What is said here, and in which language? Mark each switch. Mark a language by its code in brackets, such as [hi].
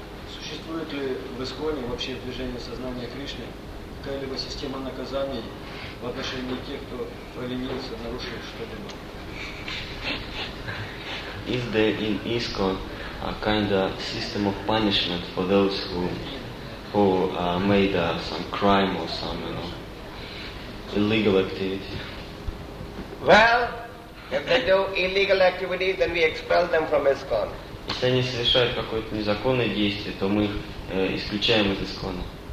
[ru] Существует ли в Исконе вообще движение сознания Кришны? Какая-либо система наказаний в отношении тех, кто поленился, нарушил что-либо? [en] Is there in ISKCON a kind of system of punishment for those who made some crime or some, you know, illegal activity? Well, if they do illegal activities, then we expel them from ISKCON. [ru] Если они совершают какое-то незаконное действие, то мы их исключаем из искона.